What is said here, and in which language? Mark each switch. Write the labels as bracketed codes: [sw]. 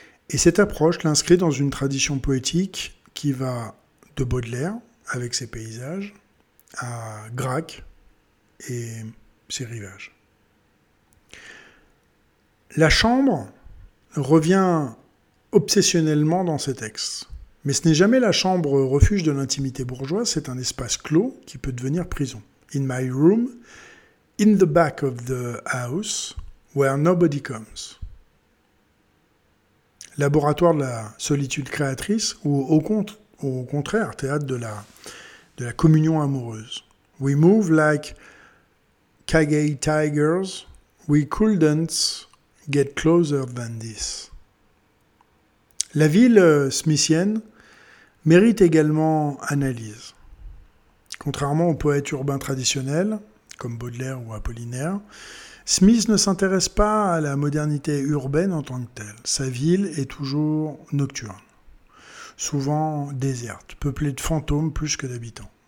[fr] Et cette approche l'inscrit dans une tradition poétique qui va de Baudelaire, avec ses paysages, à Gracq et ses rivages. La chambre revient obsessionnellement dans ses textes. Mais ce n'est jamais la chambre refuge de l'intimité bourgeoise, c'est un espace clos qui peut devenir prison. [en] In my room, in the back of the house, where nobody comes. [fr] Laboratoire de la solitude créatrice ou au contraire, théâtre de la communion amoureuse. [en] We move like cagey tigers, we couldn't get closer than this. [fr] La ville smithienne mérite également analyse. Contrairement aux poètes urbains traditionnels, comme Baudelaire ou Apollinaire, Smith ne s'intéresse pas à la modernité urbaine en tant que telle. Sa ville est toujours nocturne, souvent déserte, peuplée de fantômes plus que d'habitants.